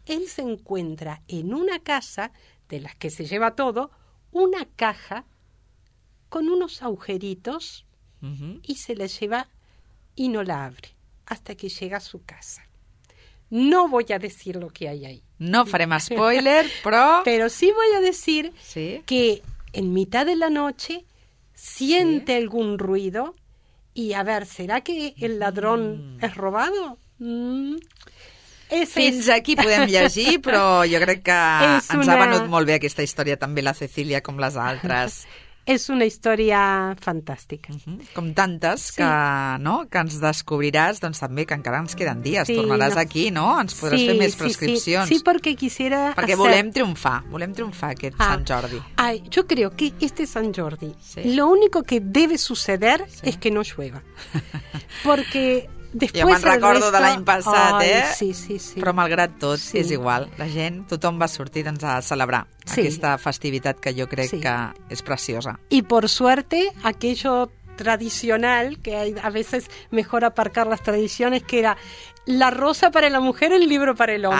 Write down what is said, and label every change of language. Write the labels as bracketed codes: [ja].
[es] Él se encuentra en una casa, de las que se lleva todo, una caja con unos agujeritos y se la lleva y no la abre hasta que llega a su casa. No voy a decir lo que hay ahí. [ca] No farem spoiler, però... [es] Pero sí voy a decir que en mitad de la noche siente algún ruido y a ver, ¿será que el ladrón es robado? [ca] Fins aquí podem llegir, però jo crec que ens ha venut molt bé aquesta història, també la Cecília com les altres. És una història fantàstica. Com tantes que, no, que ens descobriràs, doncs també que encara ens queden dies. Sí, tornaràs aquí, no? Ens podràs fer més prescripcions. Sí, perquè [es] quisiera... [ca] Perquè volem triomfar aquest Sant Jordi. [es] Ay, yo creo que este Sant Jordi, lo único que debe suceder es que no llueva. Porque después [ca] jo me'n recordo [es] resto... [ca] de l'any passat, Sí. Però malgrat tot, és igual. La gent, tothom va sortir doncs, a celebrar aquesta festivitat que jo crec que és preciosa. [es] I, por suerte, aquello tradicional, que a veces mejor aparcar las tradiciones, que era la rosa para la mujer, el libro para el hombre.